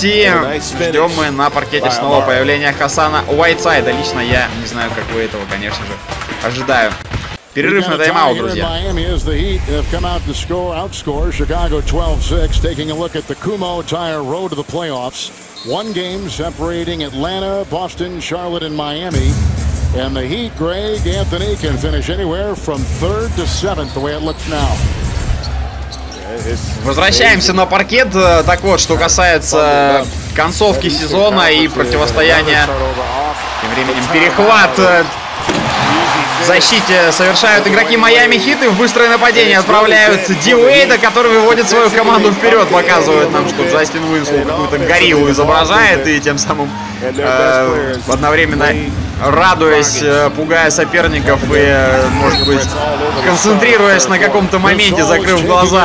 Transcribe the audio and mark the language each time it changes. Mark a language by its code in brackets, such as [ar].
[ru] И ждем мы на паркете снова появления Хасана Уайтсайда. Лично я не знаю, как вы этого, конечно же, ожидаю. Перерыв на тайм-аут, друзья. [en] One game separating Atlanta, Boston, Charlotte, and Miami. And the Heat, Greg Anthony, can finish anywhere from third to seventh, the way it looks now. [ru] Возвращаемся на паркет. Так вот, что касается концовки сезона и противостояния. Тем временем перехват в защите совершают игроки Майами Хит и в быстрое нападение отправляют Ди Уэйда, который выводит свою команду вперед, показывает нам, что Джастин Уинслоу какую-то гориллу изображает и тем самым одновременно радуясь, пугая соперников и, может быть, концентрируясь на каком-то моменте, закрыв глаза.